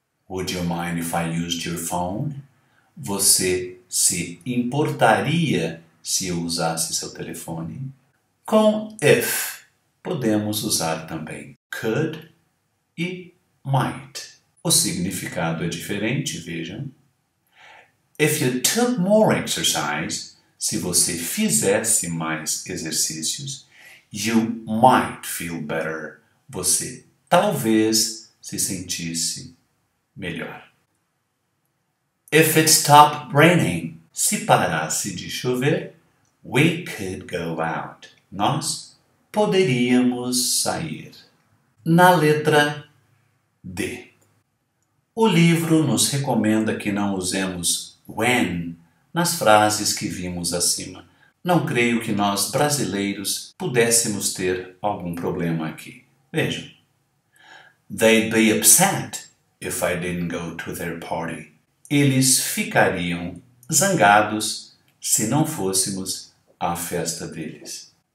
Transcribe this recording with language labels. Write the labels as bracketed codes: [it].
[en] Would you mind if I used your phone? [pt] Você se importaria se eu usasse seu telefone? Com if, podemos usar também could e might. O significado é diferente, vejam. [en] If you took more exercise, [pt] se você fizesse mais exercícios, [en] you might feel better. [pt] Você talvez se sentisse melhor. [en] If it stopped raining, [pt] se parasse de chover, [en] we could go out. [pt] Nós poderíamos sair. Na letra D. O livro nos recomenda que não usemos when nas frases que vimos acima. Não creio que nós, brasileiros, pudéssemos ter algum problema aqui. Vejam. [en] They'd be upset if I didn't go to their party. [pt] Eles ficariam zangados se não fôssemos à festa deles.